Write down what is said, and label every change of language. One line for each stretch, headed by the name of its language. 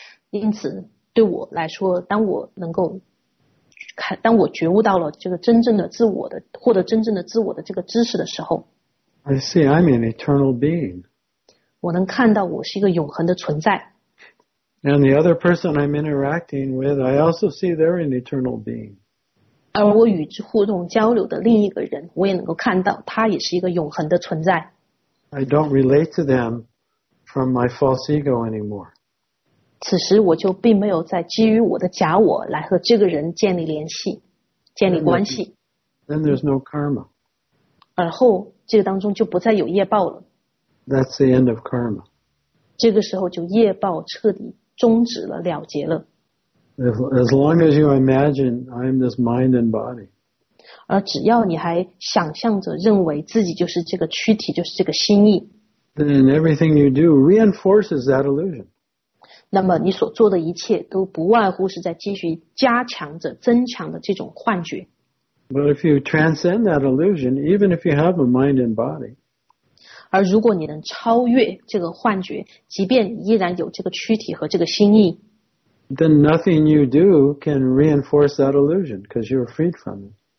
Chinese: 因此对我来说，当我能够看，当我觉悟到了这个真正的自我的，获得真正的自我的这个知识的时候，
English: I see I'm an eternal being.
Chinese: 我能看到我是一个永恒的存在。
English: And the other person I'm interacting with, I also see they're an eternal being.
Chinese: 而我与之互动交流的另一个人，我也能够看到他也是一个永恒的存在。
English: I don't relate to them from my false ego anymore.
Chinese: 此时我就并没有再基于我的假我来和这个人建立联系，建立关系。
English: Then there's no karma.
Chinese: 而后这个当中就不再有业报了。
English: That's the end of karma.
Chinese: 这个时候就业报彻底终止了，了结了。
English: As long as you imagine I'm this mind and body.
Chinese: 而只要你还想象着认为自己就是这个躯体，就是这个心意。
English: Then everything you do reinforces that illusion.
Chinese: 那么你所做的一切都不外乎是在继续加强着、增强的这种幻觉。
English: But if you transcend that illusion, even if you have a mind and body,
Chinese: 而如果你能超越这个幻觉，即便依然有这个躯体和这个心意，
English: then nothing you do can reinforce that illusion because you're freed from it.